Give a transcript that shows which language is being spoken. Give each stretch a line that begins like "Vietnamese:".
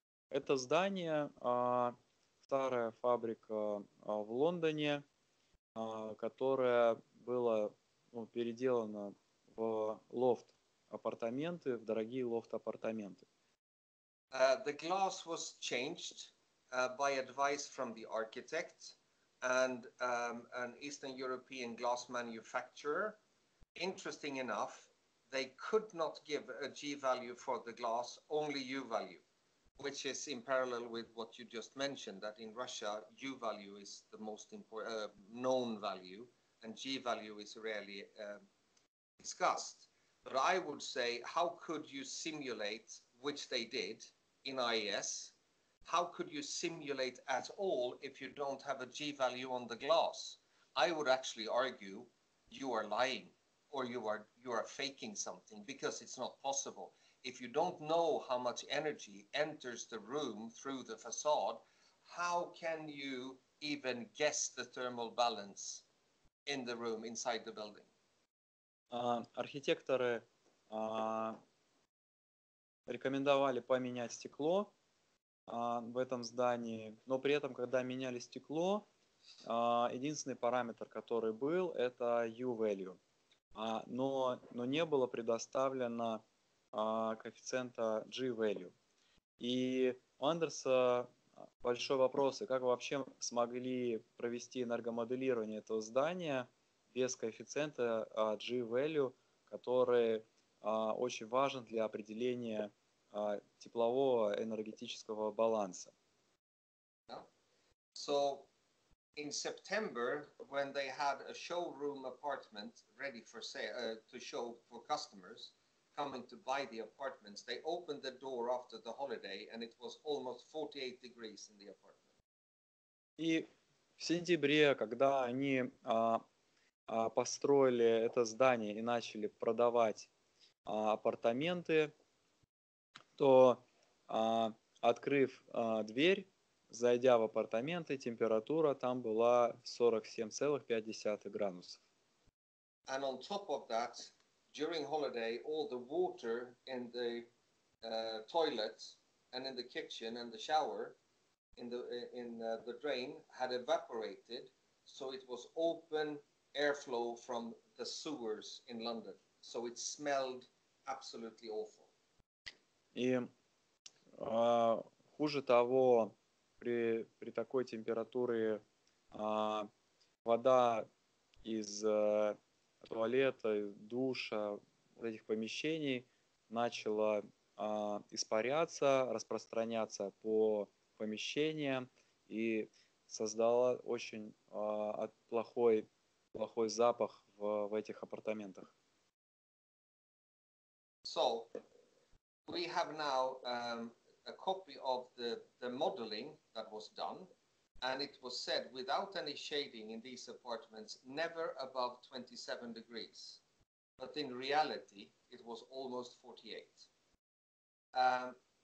Russian: Это здание, старая фабрика в Лондоне, которая была переделана в лофт-апартаменты, в дорогие лофт-апартаменты.
English: The glass was changed by advice from the architect and an Eastern European glass manufacturer. Interesting enough, they could not give a G-value for the glass, only U-value, which is in parallel with what you just mentioned, that in Russia, U-value is the most known value, and G-value is rarely discussed. But I would say, how could you simulate, which they did in IES, how could you simulate at all if you don't have a G-value on the glass? I would actually argue you are lying, or you are faking something, because it's not possible. If you don't know how much energy enters the room through the facade, how can you even guess the thermal balance in the room inside the building?
Russian: Архитекторы рекомендовали поменять стекло в этом здании, но при этом, когда меняли стекло, единственный параметр, который был, это U-value. Но не было предоставлено коэффициента G-value. И у Андерса большой вопрос, как вы вообще смогли провести энергомоделирование этого здания без коэффициента G-value, который очень важен для определения теплового энергетического баланса.
English: So in September, when they had a showroom apartment ready for sale, to show for customers coming to buy the apartments, they opened the door after the holiday, and it was almost 48 degrees in the apartment.
Russian: И в сентябре, когда они построили это здание и начали продавать апартаменты, то, открыв дверь, зайдя в апартаменты, температура там была 47,5 градусов.
English: And on top of that, during holiday, all the water in the toilet and in the kitchen and the shower in the drain had evaporated, so it was open airflow from the sewers in London. So it smelled absolutely awful.
Russian: И хуже того, при такой температуре вода из туалета, душа, этих помещений начала испаряться, распространяться по помещениям и создала очень плохой запах в этих апартаментах.
English: So, we have now a copy of the modeling that was done, and it was said without any shading in these apartments, never above 27 degrees. But in reality, it was almost 48.